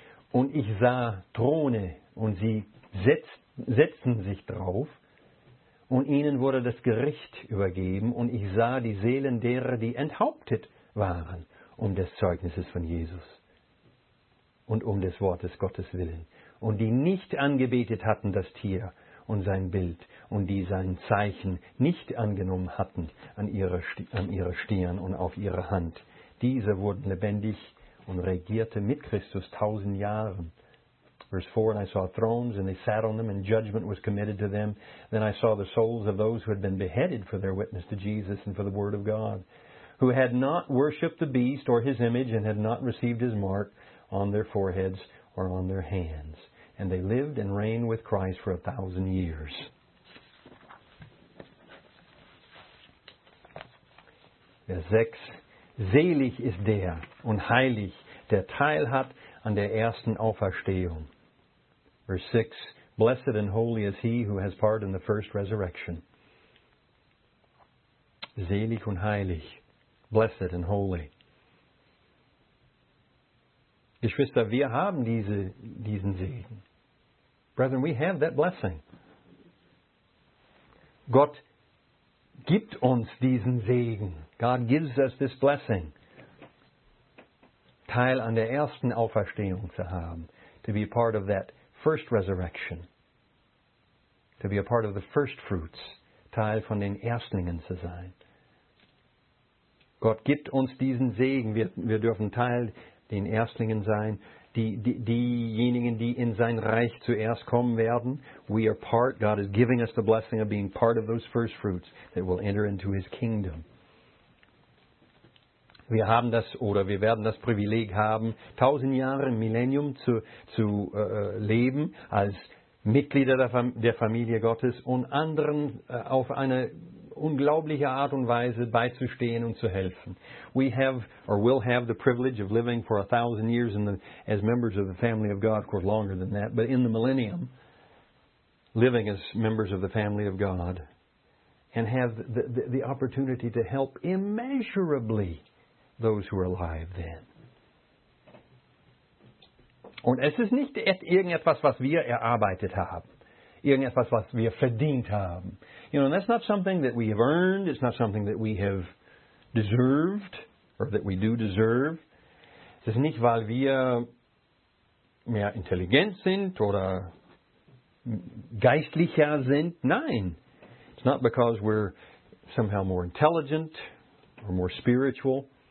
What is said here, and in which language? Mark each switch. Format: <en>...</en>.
<de>Und ich sah Throne, und sie setzten sich drauf, und ihnen wurde das Gericht übergeben, und ich sah die Seelen derer, die enthauptet waren, um des Zeugnisses von Jesus und um des Wortes Gottes willen, und die nicht angebetet hatten das Tier und sein Bild, und die sein Zeichen nicht angenommen hatten an ihrer Stirn und auf ihrer Hand. Diese wurden lebendig und regierte mit Christus 1000 Jahre.</de> <en>Verse 4, and I saw thrones, and they sat on them, and judgment was committed to them. Then I saw the souls of those who had been beheaded for their witness to Jesus and for the word of God, who had not worshipped the beast or his image and had not received his mark on their foreheads or on their hands. And they lived and reigned with Christ for 1000 years.</en> <de>Vers 6. Selig ist der und heilig, der Teil hat an der ersten Auferstehung.</de> <en>Verse 6, blessed and holy is he who has part in the first resurrection.</en> <de>Selig und heilig,</de> <en>blessed and holy.</en> <de>Geschwister, wir haben diesen Segen.</de> <en>Brethren, we have that blessing.</en> <de>Gott gibt uns diesen Segen.</de> <en>God gives us this blessing.</en> <de>Teil an der ersten Auferstehung zu haben.</de> <en>To be a part of that first resurrection. To be a part of the first fruits.</en> <de>Teil von den Erstlingen zu sein. Gott gibt uns diesen Segen. Wir dürfen Teil den Erstlingen sein. Diejenigen, die in sein Reich zuerst kommen werden.</de> <en>We are part. God is giving us the blessing of being part of those first fruits that will enter into his kingdom.</en> <de>Wir haben das, oder wir werden das Privileg haben, 1000 Jahre im Millennium zu leben als Mitglieder der Familie Gottes und anderen auf eine unglaubliche Art und Weise beizustehen und zu helfen.</de> <en>We have or will have the privilege of living for 1000 years as members of the family of God, of course longer than that, but in the millennium, living as members of the family of God, and have the opportunity to help immeasurably those who are alive then.</en> <de>Und es ist nicht irgendetwas, was wir erarbeitet haben. Irgendetwas, was wir verdient haben.</de> <en>You know, and that's not something that we have earned. It's not something that we have deserved or that we do deserve.</en> <de>Es ist nicht, weil wir mehr intelligent sind oder geistlicher sind. Nein.</de> <en>It's not because we're somehow more intelligent or more spiritual.</en>